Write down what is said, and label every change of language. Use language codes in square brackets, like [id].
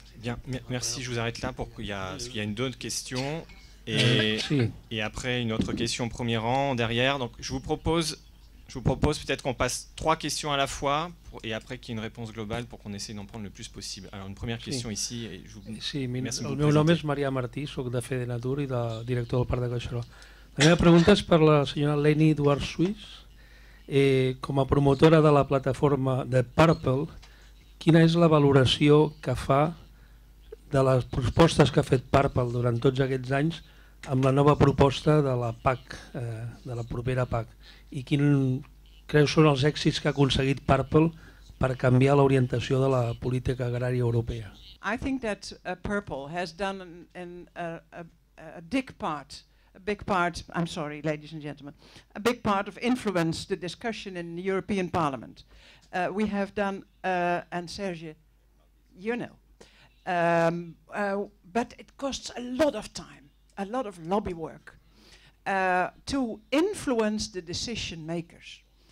[fr] Bien, merci. Je vous arrête là pour qu'il y a une autre question. Et après une autre question au premier rang derrière. Donc je vous propose peut-être qu'on passe trois questions à la fois et après qu'il y ait une réponse globale pour qu'on essaye d'en prendre le plus possible. Alors une première question ici. Et je vous... [ca] Sí, el meu nom és Maria Martí, soc de Fede Natur i director del Parc de Collserola. La meva pregunta és per la senyora Leni Duart Suís. Com a promotora de la plataforma de Purple, quina és la valoració que fa de les propostes que ha fet Purple durant tots aquests anys amb la nova proposta de la PAC, de la propera PAC? I quin creu són els èxits que ha aconseguit Purple per canviar l'orientació de la política agrària europea? [en] I think that Purple has done a big part of influence the discussion in the European Parliament. We have done, and Serge, you know, but it costs a lot of time, a lot of lobby work to influence the decision makers.